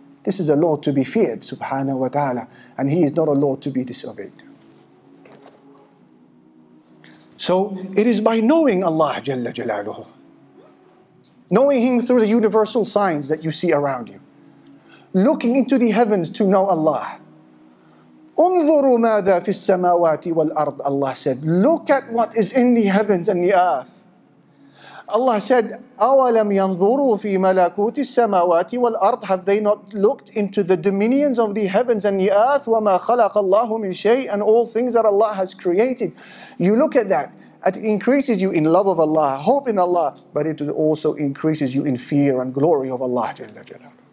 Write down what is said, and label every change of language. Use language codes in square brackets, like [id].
[en] This is a law to be feared, subhanahu wa ta'ala. And he is not a law to be disobeyed. So it is by knowing Allah Jalla Jalaluhu, knowing him through the universal signs that you see around you, looking into the heavens to know Allah. [ar] انظروا ماذا في السماوات والأرض. [en] Allah said, look at what is in the heavens and the earth. [ar] Allah said, أَوَلَمْ يَنظُرُوا فِي مَلَكُوتِ السَّمَاوَاتِ وَالْأَرْضِ. [en] Have they not looked into the dominions of the heavens and the earth? [ar] وَمَا خَلَقَ اللَّهُ مِنْ شَيْءٍ. [en] And all things that Allah has created. You look at that, it increases you in love of Allah, hope in Allah, but it also increases you in fear and glory of Allah Jalla Jalaluhu.